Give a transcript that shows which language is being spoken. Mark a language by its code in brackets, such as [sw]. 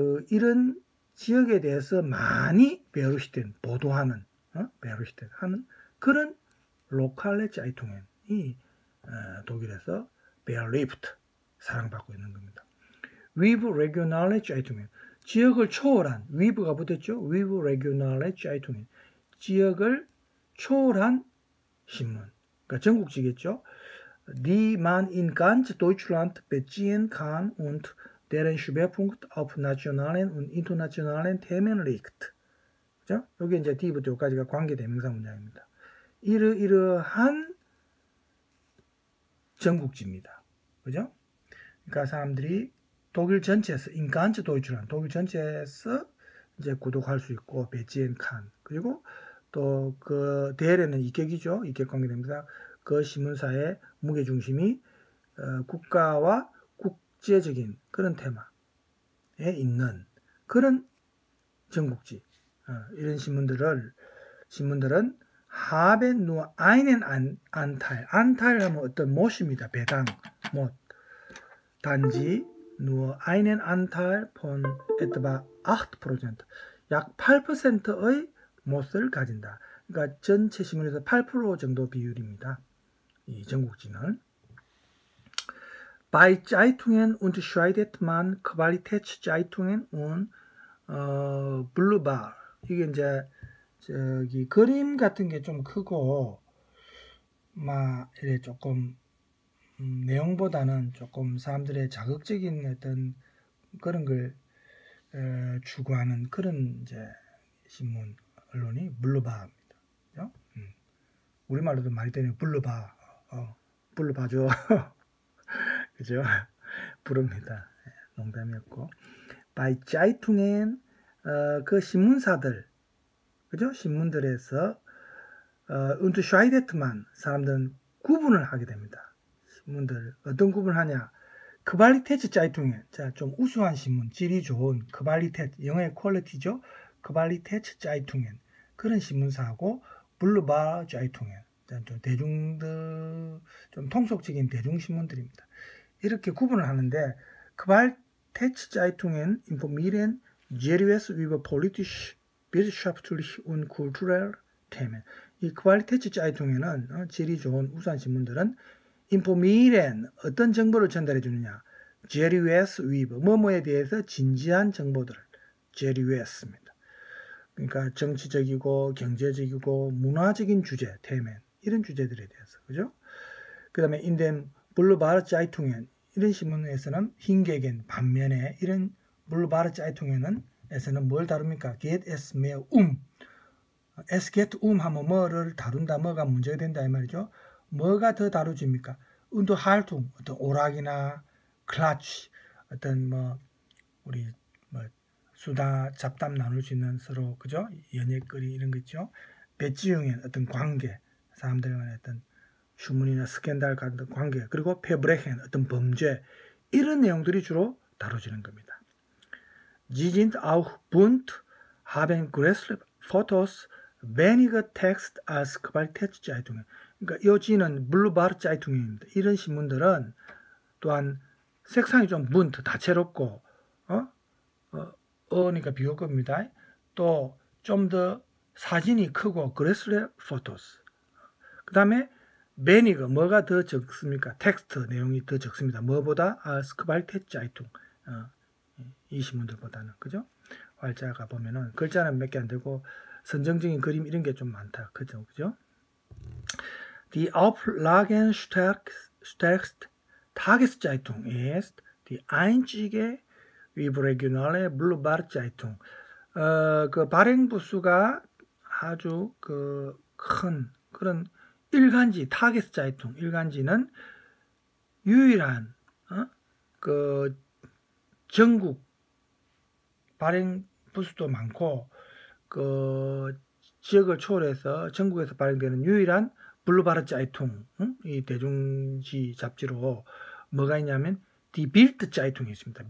[ko] 이런 지역에 대해서 많이 Berichten, 보도하는, Berichten 하는 그런 로컬의 자이통엔, 이, 독일에서 Beliebt, 사랑받고 있는 겁니다. With regional의 짜이통엔 지역을 초월한 with가 붙었죠. With regional의 짜이통엔 지역을 초월한 신문. 그러니까 전국지겠죠. [de] Die man in ganz Deutschland beziehen kann und deren Schwerpunkt auf nationalen und internationalen Themen liegt. [ko] 그렇죠? 여기 이제 die부터 여기까지가 관계 대명사 문장입니다. 이러이러한 전국지입니다. 그죠? 그러니까 사람들이 독일 전체에서 인간츠 도이치란 독일 전체에서 이제 구독할 수 있고 베지엔 칸 그리고 또그 대회는 이격이죠. 이격 관계됩니다. 그 신문사의 무게중심이 국가와 국제적인 그런 테마에 있는 그런 전국지 이런 신문들은 [de] 하벤 누 아이넨 안탈 [ko] 하면 어떤 못입니다. 배당 못 단지 [de] Nur einen Anteil von etwa 8%, [ko] 약 8%의 못을 가진다. 그러니까 전체 신문에서 8% 정도 비율입니다. 이 전국지는. [de] Bei Zeitungen unterscheidet man Qualitätszeitungen und Boulevard. [ko] 이게 이제 저기 그림 같은 게좀 크고 막 이래 조금 내용보다는 조금 사람들의 자극적인 어떤 그런 걸 추구하는 그런 이제 신문 언론이 블루바입니다. 우리말로도 많이 되네요. 블루바, 블루바죠. 그죠? 부릅니다. 농담이었고, By Zeitungen 그 신문사들, 그죠? 신문들에서 unterscheidet만 사람들은 구분을 하게 됩니다. 신문들 어떤 구분을 하냐? Qualität Zeitung에 자, 좀 우수한 신문, 질이 좋은 Qualität, 영어의 퀄리티죠. Qualität Zeitung에 그런 신문사하고 Boulevard Zeitung에 좀 대중들, 좀 통속적인 대중신문들입니다. 이렇게 구분을 하는데 [de] Qualität Zeitungen informieren seriös über politische, wirtschaftliche und kulturelle Themen. [ko] 이 Qualität Zeitungen은 질이 좋은 우수한 신문들은 informieren 어떤 정보를 전달해 주느냐? Seriös über 뭐뭐에 대해서 진지한 정보들을 Seriös입니다. 그러니까 정치적이고 경제적이고 문화적인 주제, 테멘 이런 주제들에 대해서, 그죠? 그 다음에 [de] in den Boulevard Zeitungen [ko] 이런 신문에서는 흰개겐 반면에 이런 Boulevard Zeitungen에서는 뭘 다룹니까? [de] Geht es mehr Es geht [ko] 하면 뭐를 다룬다, 뭐가 문제가 된다 이 말이죠. 뭐가 더 다루집니까? Unterhaltung 어떤 오락이나 Klatsch 어떤 뭐 우리 뭐 수다 잡담 나눌 수 있는 서로 그죠? 연예거리 이런 거 있죠. Beziehungen 어떤 관계 사람들만의 어떤 휴문이나 스캔들 같은 관계 그리고 Verbrechen 어떤 범죄 이런 내용들이 주로 다뤄지는 겁니다. [de] Sie sind auch bunt, haben größere Fotos, weniger Text als Qualitätszeitungen. [ko] 그러니까 요지는 Boulevard Zeitungen입니다. 이런 신문들은 또한 색상이 좀 bunt 다채롭고 어니까 비교급입니다. 또 좀 더 사진이 크고 größere Fotos. 그 다음에 베니거 뭐가 더 적습니까? 텍스트 내용이 더 적습니다. 뭐보다 [de] Als Qualität Zeitung [ko] 이 신문들보다는 그죠? 활자가 보면은 글자는 몇 개 안 되고 선정적인 그림 이런 게 좀 많다. 그죠? 그죠? [de] Die Auflagen stärkste Tageszeitung ist die einzige überregionale Boulevard Zeitung. [ko] 그 발행 부수가 아주 그 큰 그런 일간지 타겟자이통 일간지는 유일한 그 전국 발행 부수도 많고 그 지역을 초월해서 전국에서 발행되는 유일한 블루바르자이통 이 대중지 잡지로 뭐가 있냐면 디 빌트자이통이 있습니다.